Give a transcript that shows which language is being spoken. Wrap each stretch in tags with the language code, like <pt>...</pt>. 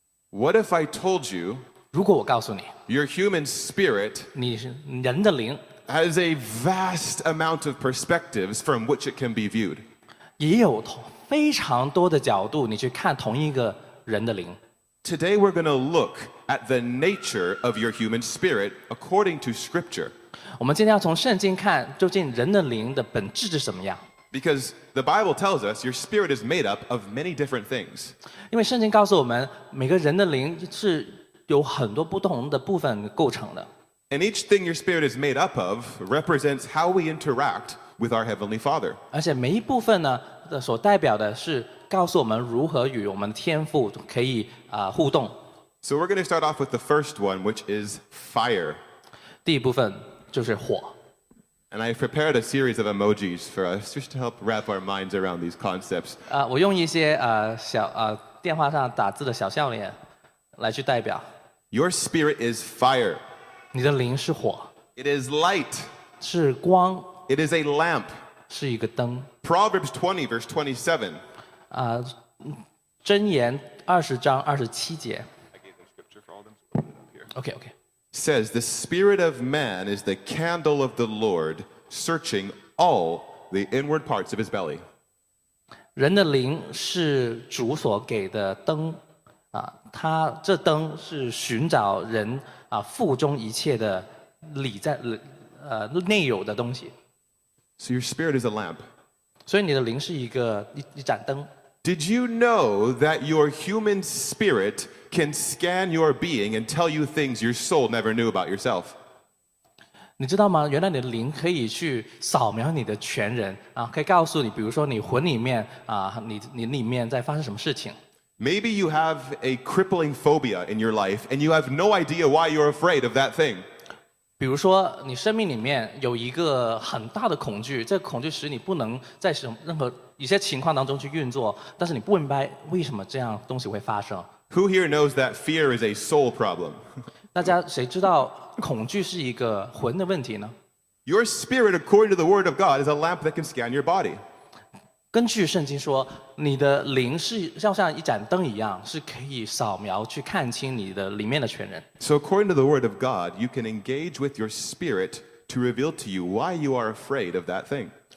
<en>What if I told you...</en> <zh>如果我告诉你</zh> <en>Your human spirit</en> <zh>你是人的灵</zh> <en>has a vast amount of perspectives from which it can be viewed.</en> <zh>也有非常多的角度你去看同一个人的灵。</zh> <en>Today we're going to look at the nature of your human spirit according to scripture.</en> <zh>我们今天要从圣经看究竟人的灵的本质是什么样。</zh> <en>Because the Bible tells us your spirit is made up of many different things.</en> <zh>因为圣经告诉我们每个人的灵是有很多不同的部分构成的。</zh> <en>And each thing your spirit is made up of represents how we interact with our Heavenly Father.</en> <zh>而且每一部分呢，所代表的是告诉我们如何与我们的天父可以互动。</zh> <en>So we're going to start off with the first one, which is fire.</en> <zh>第一部分就是火。</zh> <en>And I prepared a series of emojis for us just to help wrap our minds around these concepts.</en> <zh>我用一些电话上打字的小笑脸。来去代表</zh> <en>Your spirit is fire.</en> <zh>你的灵是火。</zh> <en>It is light.</en> <zh>是光。</zh> <en>It is a lamp.</en> <zh>是一个灯。</zh> <en>Proverbs 20 verse 27.</en> <zh>箴言二十章二十七节。</zh> <en>I gave them scripture for all them. Okay, okay. Says, the spirit of man is the candle of the Lord, searching all the inward parts of his belly.</en> <zh>人的灵是主所给的灯。他这灯是寻找人腹中一切的里在内有的东西。</zh> <en>So your spirit is a lamp.</en> <zh>所以你的灵是一盏灯。</zh> <en>Did you know that your human spirit can scan your being and tell you things your soul never knew about yourself?</en> <zh>你知道吗？原来你的灵可以去扫描你的全人啊，可以告诉你，比如说你魂里面啊，你里面在发生什么事情。</zh> <en>Maybe you have a crippling phobia in your life, and you have no idea why you're afraid of that thing.</en> <zh>比如说，你生命里面有一个很大的恐惧，这个恐惧使你不能在什么任何一些情况当中去运作，但是你不明白为什么这样东西会发生。</zh> <en>Who here knows that fear is a soul problem?</en> <zh>大家谁知道恐惧是一个魂的问题呢？</zh> <en>Your spirit, according to the word of God, is a lamp that can scan your body.</en> <zh>根据圣经说，你的灵是要像一盏灯一样，是可以扫描去看清你的里面的全人。</zh> <en>So according to the word of God, you can engage with your spirit to reveal to you why you are afraid of that thing.</en>